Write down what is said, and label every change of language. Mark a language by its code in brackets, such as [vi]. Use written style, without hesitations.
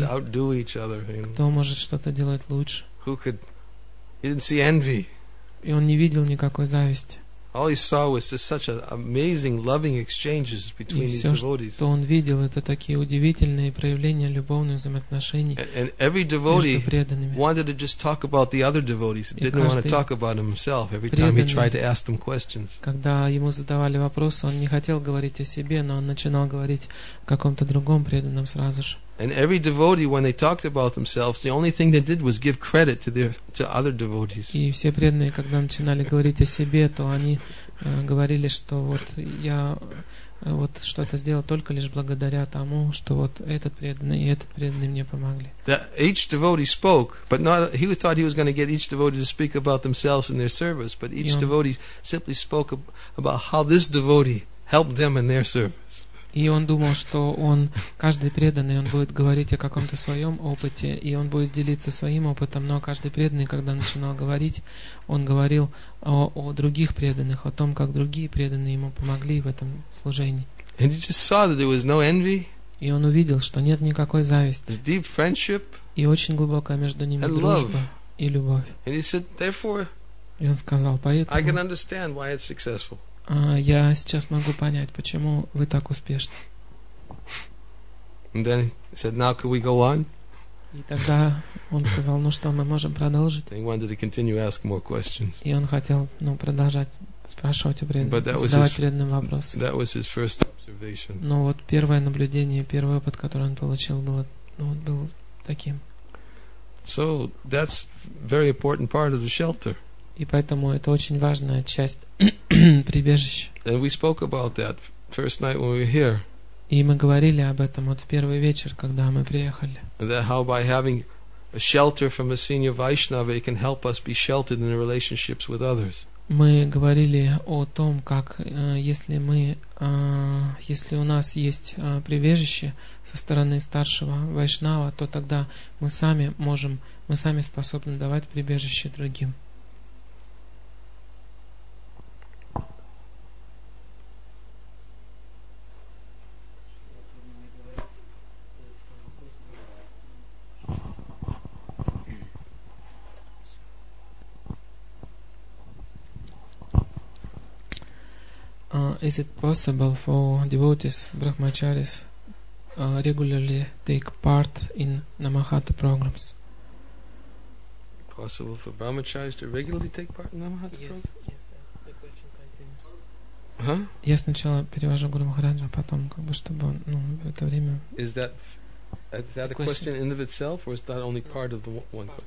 [en] Who could outdo each other? [ru] Кто может что-то делать лучше. [en] He didn't see envy. [ru] И он не видел никакой зависти. [en] All he saw was just such an amazing loving exchanges between these devotees. [ru] Что он видел, это такие удивительные проявления любовных взаимоотношений. [en] And every devotee wanted to just talk about the other devotees. He didn't want to talk about himself every time he tried to ask them questions. [ru] Когда ему задавали вопросы, он не хотел говорить о себе, но он начинал говорить о каком-то другом преданном сразу же. [en] And every devotee, when they talked about themselves, the only thing they did was give credit to their to other devotees. [ru] И все преданные, когда начинали говорить о себе, то они говорили, что вот я вот что-то сделал только лишь благодаря тому, что вот этот преданный и этот преданный мне помогли. [en] That each devotee spoke, but not he thought he was going to get each devotee to speak about themselves and their service, but each devotee simply spoke about how this devotee helped them in their service. [ru] И он думал, что он, каждый преданный, он будет говорить о каком-то своем опыте, и он будет делиться своим опытом, но каждый преданный, когда начинал говорить, он говорил о других преданных, о том, как другие преданные ему помогли в этом служении. [en] And he just saw that there was no envy. [ru] И он увидел, что нет никакой зависти. [en] There's deep friendship. [ru] И очень глубокая между ними [en] and [ru] дружба [en] love. [ru] И любовь. [en] And he said, therefore, [ru] и он сказал, поэтому [en] I can understand why it's successful. [ru] Я сейчас могу понять, почему вы так успешны. [en] And then he said, now can we go on? [ru] И тогда он сказал, ну что, мы можем продолжить. [en] And he wanted to continue ask more questions. [ru] И он хотел, ну, продолжать спрашивать у преданных, задавать преданным вопросы. [en] That was his first observation. [ru] Но вот первое наблюдение, первый опыт, который он получил, было, ну, был таким. [en] So that's very important part of the shelter. [ru] И поэтому это очень важная часть прибежища. [en] And we spoke about that first night when we were here. [ru] И мы говорили об этом вот в первый вечер, когда мы приехали. [en] That how by having a shelter from a senior Vaishnava, it can help us be sheltered in the relationships with others. [ru] Мы говорили о том, как если мы, если у нас есть прибежище со стороны старшего Вайшнава, то тогда мы сами можем, мы сами способны давать прибежище другим. [en] Is it possible for devotees, brahmacharis, regularly take part in Namahata programs? Possible for brahmacharis to regularly take part in Namahata programs? Yes, yes. The question continues. Huh? [ru] Я сначала перевожу Гуру Махараджа, потом как бы чтобы ну в это время. [en] Is that a question in of itself, or is that only part of the one question?